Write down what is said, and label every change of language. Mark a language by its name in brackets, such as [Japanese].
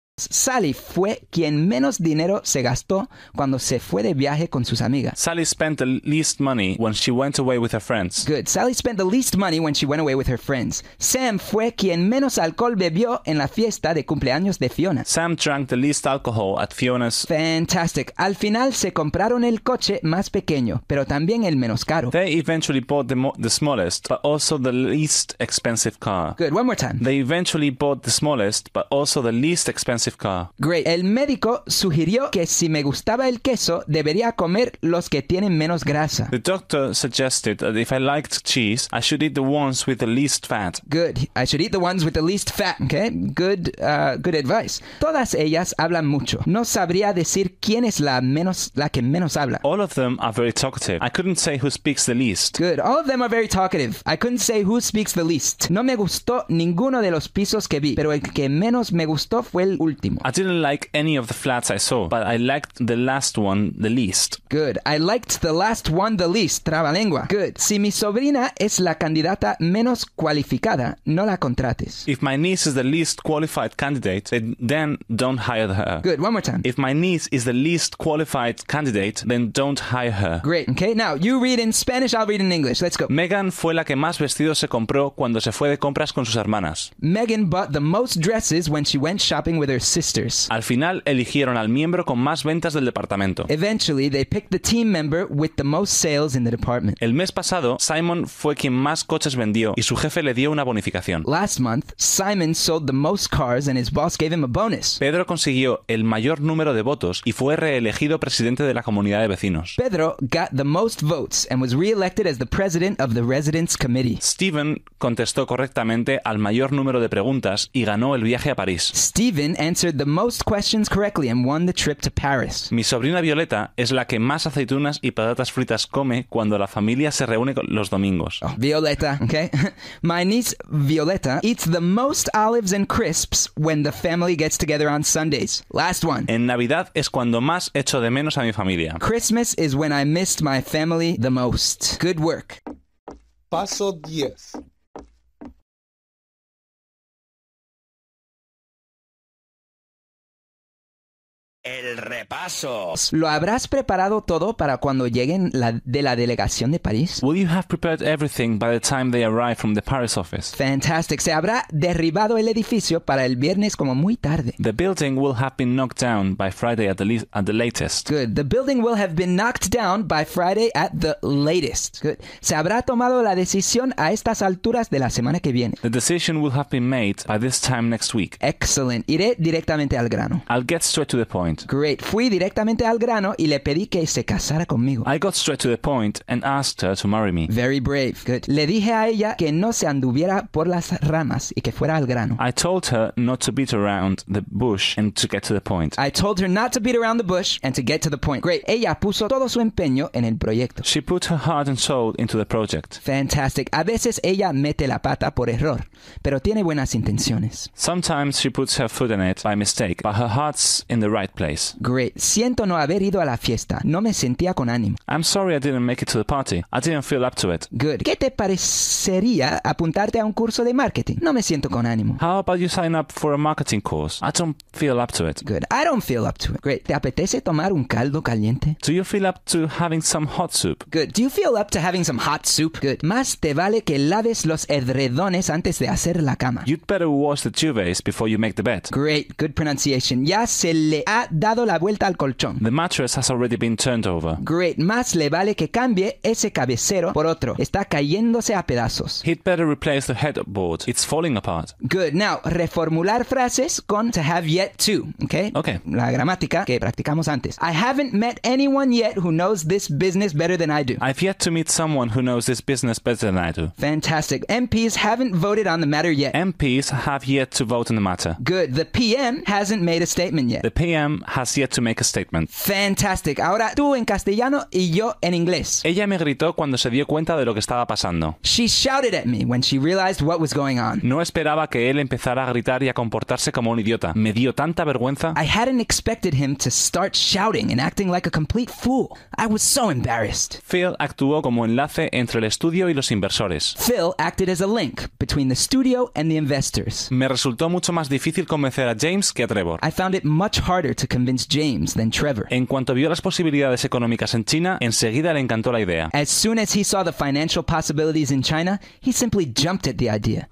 [Spanish] Sally fue quien menos dinero se gastó cuando se fue de viaje con sus amigas. [English] Sally spent the least money when she went away with her friends. Good. Sally spent the least money when she went away with her friends. [Spanish] Sam fue quien menos alcohol bebió en la fiesta de cumpleaños de Fiona. [English] Sam drank the least alcohol at Fiona's... Fantastic. [Spanish] Al final se compraron el coche más pequeño, pero también el menos caro. [English] They eventually bought the smallest, but also the least expensive car. Good. One more time. They eventually bought the smallest, but also the least expensive car. Great. [Spanish] El médico sugirió que si me gustaba el queso, debería comer los que tienen menos grasa. [English] The doctor suggested that if I liked cheese, I should eat the ones with the least fat. Good. I should eat the ones with the least fat, okay? Good, good advice. [Spanish] Todas ellas hablan mucho. No sabría decir quién es la que menos habla. [English] All of them are very talkative. I couldn't say who speaks the least. Good. All of them are very talkative. I couldn't say who speaks the least. [Spanish] No me gustó ninguno de los pisos que vi, pero el que menos me gustó fue el último. [English] I didn't like any of the flats I saw, but I liked the last one the least. Good. I liked the last one the least. Trabalengua. Good. [Spanish] Si mi sobrina es la candidata menos cualificada, no la contrates. [English] If my niece is the least qualified candidate, then don't hire her. Good. One more time. If my niece is the least qualified candidate, then don't hire her. Great. Okay. Now, you read in Spanish, I'll read in English. Let's go. [Spanish] Megan fue la que más vestidos se compró cuando se fue de compras con sus hermanas. [English] Megan bought the most dresses when she went shopping with her sisters. [Spanish] Al final, eligieron al miembro con más ventas del departamento. [English] Eventually, they picked the team member with the most sales in the department. [Spanish] El mes pasado, Simon fue quien más coches vendió y su jefe le dio una bonificación. [English] Last month, Simon sold the most cars and his boss gave him a bonus. [Spanish] Pedro consiguió el mayor número de votos y fue reelegido presidente de la comunidad de vecinos. [English] Pedro got the most votes and was reelected as the president of the residence committee. [Spanish] Steven contestó correctamente al mayor número de preguntas y ganó el viaje a París. [English] Steven answered the most questions correctly and won the trip to Paris. [Spanish] Mi sobrina Violeta es la que más aceitunas y patatas fritas come cuando la familia se reúne los domingos. [English] Oh, Violeta, okay? My niece Violeta eats the most olives and crisps when the family gets together on Sundays. Last one. [Spanish] En Navidad es cuando más echo de menos a mi familia. [English] Christmas is when I missed my family the most. Good work. [Spanish] Paso 10. El repaso. ¿Lo habrás preparado todo para cuando lleguen de la delegación de París? [English] Will you have prepared everything by the time they arrive from the Paris office? Fantastic. [Spanish] Se habrá derribado el edificio para el viernes como muy tarde. [English] The building will have been knocked down by Friday at the latest. Good. The building will have been knocked down by Friday at the latest. Good. [Spanish] Se habrá tomado la decisión a estas alturas de la semana que viene. [English] The decision will have been made by this time next week. Excellent. [Spanish] Iré directamente al grano. [English] I'll get straight to the point. Great. [Spanish] Fui directamente al grano y le pedí que se casara conmigo. [English] I got straight to the point and asked her to marry me. Very brave. Good. [Spanish] Le dije a ella que no se anduviera por las ramas y que fuera al grano. [English] I told her not to beat around the bush and to get to the point. I told her not to beat around the bush and to get to the point. Great. [Spanish] Ella puso todo su empeño en el proyecto. [English] She put her heart and soul into the project. Fantastic. [Spanish] A veces ella mete la pata por error, pero tiene buenas intenciones. [English] Sometimes she puts her foot in it by mistake, but her heart's in the right place. Great. [Spanish] Siento no haber ido a la fiesta. No me sentía con ánimo. [English] I'm sorry I didn't make it to the party. I didn't feel up to it. Good. [Spanish] ¿Qué te parecería apuntarte a un curso de marketing? No me siento con ánimo. [English] How about you sign up for a marketing course? I don't feel up to it. Good. I don't feel up to it. Great. [Spanish] ¿Te apetece tomar un caldo caliente? [English] Do you feel up to having some hot soup? Good. Do you feel up to having some hot soup? Good. [Spanish] Más te vale que laves los edredones antes de hacer la cama. [English] You'd better wash the duvets before you make the bed. Great. Good pronunciation. [Spanish] Ya se le ha dado la vuelta al colchón. [English] The mattress has already been turned over. Great. [Spanish] Más le vale que cambie ese cabecero por otro. Está cayéndose a pedazos. [English] He'd better replace the headboard. It's falling apart. Good. Now, [Spanish] reformular frases con [English] to have yet to. Okay? Okay. [Spanish] La gramática que practicamos antes. [English] I haven't met anyone yet who knows this business better than I do. I've yet to meet someone who knows this business better than I do. Fantastic. MPs haven't voted on the matter yet. MPs have yet to vote on the matter. Good. The PM hasn't made a statement yet. The PM has yet to make a statement. Fantastic. [Spanish] Ahora tú en castellano y yo en inglés. Ella me gritó cuando se dio cuenta de lo que estaba pasando. [English] She shouted at me when she realized what was going on. [Spanish] No esperaba que él empezara a gritar y a comportarse como un idiota. Me dio tanta vergüenza. [English] I hadn't expected him to start shouting and acting like a complete fool. I was so embarrassed. [Spanish] Phil actuó como enlace entre el estudio y los inversores. [English] Phil acted as a link between the studio and the investors. [Spanish] Me resultó mucho más difícil convencer a James que a Trevor. [English] I found it much harder to convince James than Trevor. [Spanish] En cuanto vio las posibilidades económicas en China, enseguida le encantó la idea. [English] As soon as he saw the financial possibilities in China, he simply jumped at the idea.